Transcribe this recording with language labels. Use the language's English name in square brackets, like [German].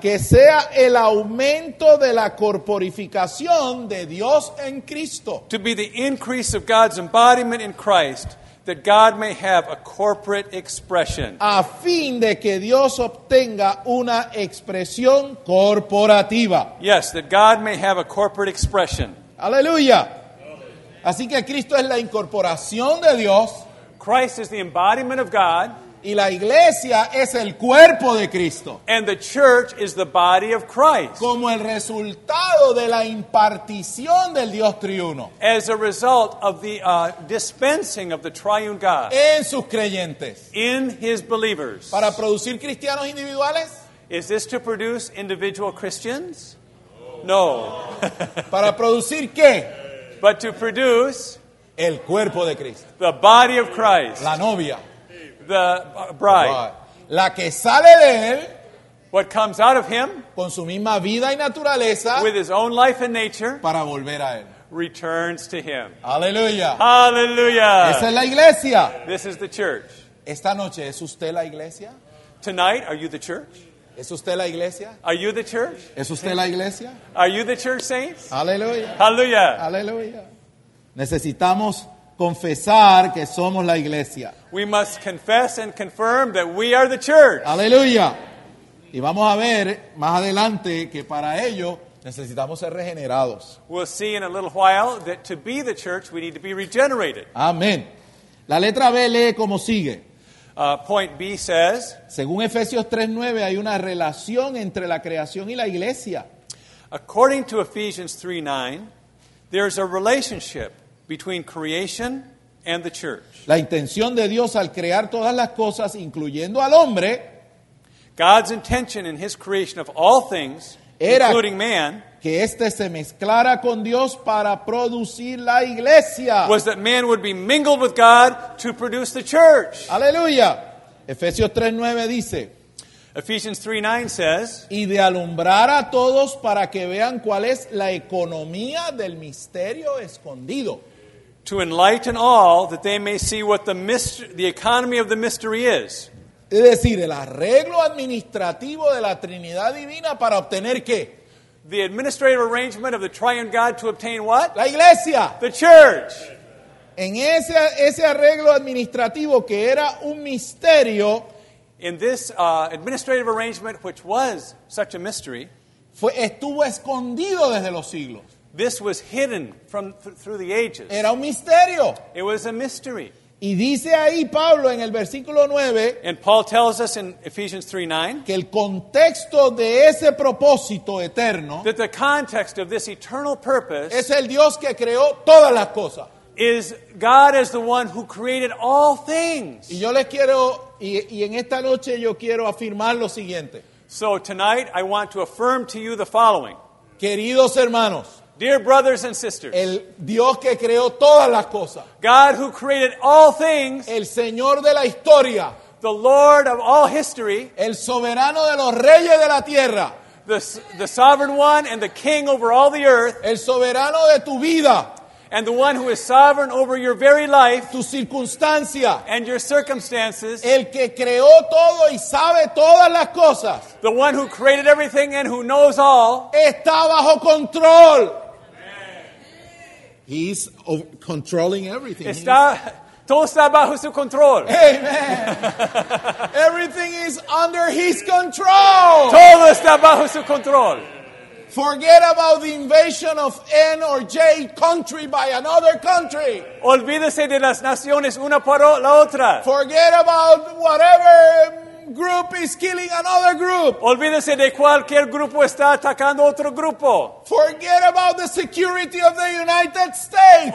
[Spanish] Que sea el aumento de la corporificación de Dios en Cristo. [English] To be the increase of God's embodiment in Christ. That God may have a corporate expression. [Spanish] A fin de que Dios obtenga una expresión corporativa. [English] Yes, that God may have a corporate expression. [Spanish] Aleluya. Así que Cristo es la incorporación de Dios. [English] Christ is the embodiment of God. [Spanish] Y la iglesia es el cuerpo de Cristo. [English] And the church is the body of Christ. [Spanish] Como el resultado de la impartición del Dios triuno. [English] As a result of the dispensing of the triune God. [Spanish] En sus creyentes. [English] In his believers. [Spanish] Para producir cristianos individuales. [English] Is this to produce individual Christians? No. [Spanish] ¿Para producir qué? [English] But to produce [Spanish] el cuerpo de Cristo. [English] The body of Christ. [Spanish] La novia. [English] The bride. [Spanish] La que sale de él. [English] What comes out of him. [Spanish] Con su misma vida y naturaleza. [English] With his own life and nature. [Spanish] Para volver a él. [English] Returns to him. [Spanish] Aleluya. Aleluya. Esa es la iglesia. [English] This is the church. [Spanish] Esta noche, ¿es usted la iglesia? [English] Tonight, are you the church? [Spanish] ¿Es usted la iglesia? [English] Are you the church? [Spanish] ¿Es usted la iglesia? [English] Are you the church, saints? [Spanish] Aleluya. Aleluya. Aleluya. Necesitamos confesar que somos la iglesia. [English] We must confess and confirm that we are the church. [Spanish] Aleluya. Y vamos a ver más adelante que para ello necesitamos ser regenerados. [English] We'll see in a little while that to be the church we need to be regenerated. [Spanish] Amén. La letra B lee como sigue. [English] Point B says, [Spanish] según Efesios 3:9 hay una relación entre la creación y la iglesia. [English] According to Ephesians 3:9, there's a relationship between creation and the church. [Spanish] La intención de Dios al crear todas las cosas, incluyendo al hombre, [English] God's intention in his creation of all things, [Spanish] era [English] including man, [Spanish] que éste se mezclara con Dios para producir la iglesia. [English] Was that man would be mingled with God to produce the church. [Spanish] Aleluya. Efesios 3:9 dice, [English] Ephesians 3:9 says, [Spanish] y de alumbrar a todos para que vean cuál es la economía del misterio escondido. [English] To enlighten all that they may see what the mystery, the economy of the mystery is. [Spanish] Es decir, el arreglo administrativo de la Trinidad Divina para obtener qué? [English] The administrative arrangement of the triune God to obtain what? [Spanish] La iglesia. [English] The church. [Spanish] En ese arreglo administrativo que era un misterio. [English] In this administrative arrangement, which was such a mystery. [Spanish] Fue, estuvo escondido desde los siglos. [English] This was hidden from through the ages. [Spanish] Era un misterio. [English] It was a mystery. [Spanish] Y dice ahí Pablo en el versículo 9. [English] And Paul tells us in Ephesians 3:9 [Spanish] que el contexto de ese propósito eterno, [English] that the context of this eternal purpose, [Spanish] es el Dios que creó todas las cosas. [English] Is God as the one who created all things. [Spanish] Y yo les quiero y en esta noche yo quiero afirmar lo siguiente. [English] So tonight I want to affirm to you the following. [Spanish] Queridos hermanos, [English] dear brothers and sisters, [Spanish] el Dios que creó todas las cosas, [English] God who created all things, [Spanish] el Señor de la historia, [English] the Lord of all history, [Spanish] el soberano de los reyes de la tierra, [English] the sovereign one and the king over all the earth, [Spanish] el soberano de tu vida, [English] and the one who is sovereign over your very life, [Spanish] tu circunstancia, [English] and your circumstances, [Spanish] el que creó todo y sabe todas las cosas, [English] the one who created everything and who knows all, [Spanish] está bajo control. [English] He's controlling everything. [Spanish] Está, todo está bajo su control. [English] Amen. Everything is under his control. [Spanish] Todo está bajo su control. [English] Forget about the invasion of N or J country by another country. [Spanish] Olvídese de las naciones una por la otra. [English] Forget about whatever group is killing another group. [Spanish] Olvídese de cualquier grupo está atacando otro grupo. [English] Forget about the security of the United States.